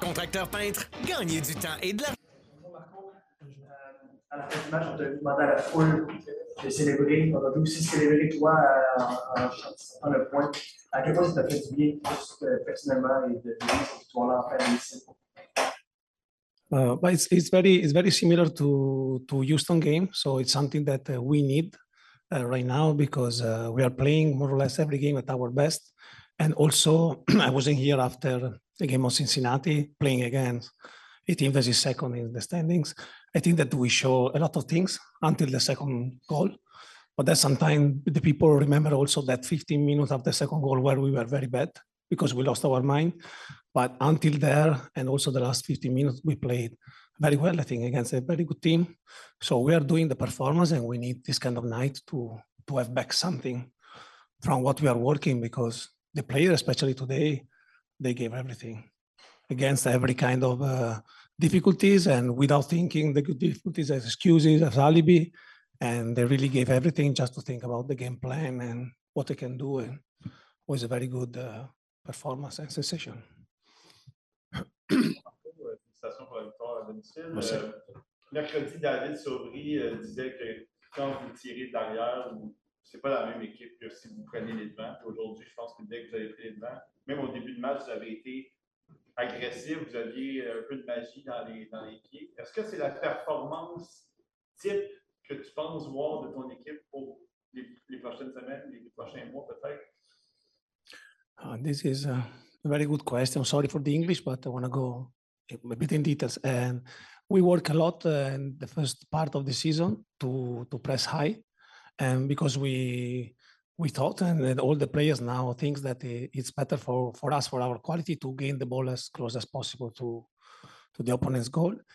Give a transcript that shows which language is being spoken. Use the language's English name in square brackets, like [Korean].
[French] Contracteur peintre, gagnez du temps et de l'argent. Bonjour Marco. À la fin du match, on t'a demandé à la foule de célébrer. On a vu aussi célébrer toi en chantant le point. À quel point ça t'a fait du bien, juste personnellement, et de vivre cette victoire-là en fin de match? [English] But it's very similar to Houston game, so it's something that we need right now because we are playing more or less every game at our best. And also, I wasn't here after the game of Cincinnati playing against a team that is second in the standings. I think that we show a lot of things until the second goal, but that sometimes the people remember also that 15 minutes of the second goal where we were very bad because we lost our mind. But until there, and also the last 15 minutes, we played very well, I think, against a very good team. So we are doing the performance, and we need this kind of night to have back something from what we are working, because the players, especially today, they gave everything against every kind of difficulties and without thinking the good difficulties as excuses, as alibi. And they really gave everything just to think about the game plan and what they can do. And it was a very good performance and sensation. [French] Félicitations pour la victoire à domicile. Mercredi, David Sobry disait que quand vous tirez de l'arrière, c'est pas la même équipe que si vous prenez les devants. Aujourd'hui, je pense que dès que vous avez pris les devants, même au début de match, vous avez été agressif, vous aviez un peu de magie dans les pieds. Est-ce que c'est la performance type que tu penses voir de ton équipe pour les prochaines semaines, les prochains mois peut-être? [English] This is a very good question. Sorry for the English, but I want to go a bit in details. And we work a lot in the first part of the season to press high. And because we thought, and all the players now think that it's better for us, for our quality, to gain the ball as close as possible to the opponent's goal.